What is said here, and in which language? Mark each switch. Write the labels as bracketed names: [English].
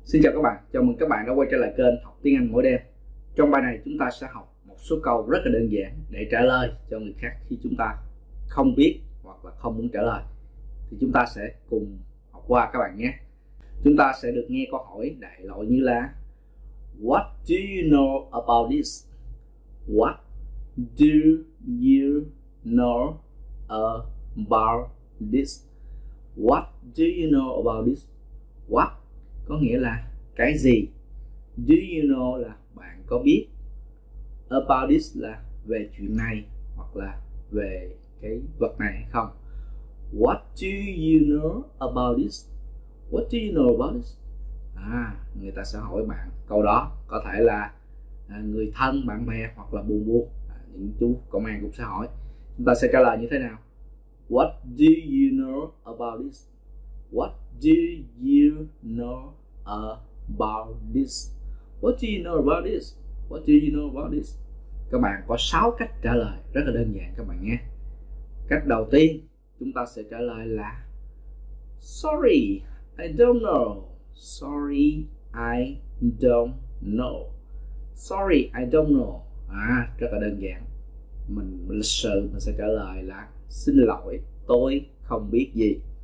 [Vietnamese] Xin chào các bạn, chào mừng các bạn đã quay trở lại kênh Học Tiếng Anh Mỗi Đêm. Trong bài này chúng ta sẽ học một số câu rất là đơn giản để trả lời cho người khác khi chúng ta không biết hoặc là không muốn trả lời. Thì chúng ta sẽ cùng học qua các bạn nhé. Chúng ta sẽ được nghe câu hỏi đại loại như là [English] What do you know about this? What do you know about this? What do you know about this? [Vietnamese] What có nghĩa là cái gì? [English] Do you know [Vietnamese] là bạn có biết? [English] About this [Vietnamese] là về chuyện này hoặc là về cái vật này hay không? [English] What do you know about this? What do you know about this? [Vietnamese] Người ta sẽ hỏi bạn câu đó. Có thể là người thân, bạn bè hoặc là buồn buồn. Những chú công an cũng sẽ hỏi. Chúng ta sẽ trả lời như thế nào? [English] What do you know about this? What do you know about this? What do you know about this? What do you know about this? [Vietnamese] Các bạn có 6 cách trả lời rất là đơn giản các bạn nhé. Cách đầu tiên chúng ta sẽ trả lời là [English] Sorry, I don't know. Sorry, I don't know. Sorry, I don't know. [Vietnamese] Rất là đơn giản. Mình lịch sự mình sẽ trả lời là Xin lỗi, tôi không biết gì.